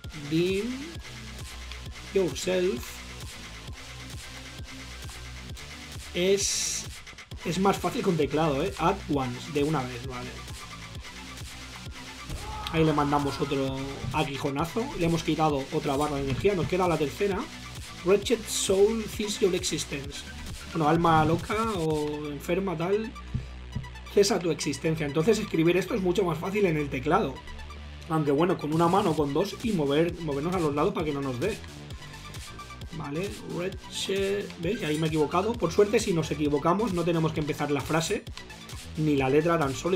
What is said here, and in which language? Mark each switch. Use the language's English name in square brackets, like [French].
[English] Redeem yourself. [Spanish] Es más fácil con teclado, ¿eh? [English] At once, [Spanish] de una vez, ¿vale? Ahí le mandamos otro aguijonazo. Le hemos quitado otra barra de energía. Nos queda la tercera. [English] Wretched soul, cease your existence. [Spanish] Bueno, alma loca o enferma, tal. Cesa tu existencia. Entonces escribir esto es mucho más fácil en el teclado. Aunque bueno, con una mano o con dos y movernos a los lados para que no nos dé. Vale, Wretched... ¿Ves? Ahí me he equivocado. Por suerte, si nos equivocamos, no tenemos que empezar la frase ni la letra tan solo.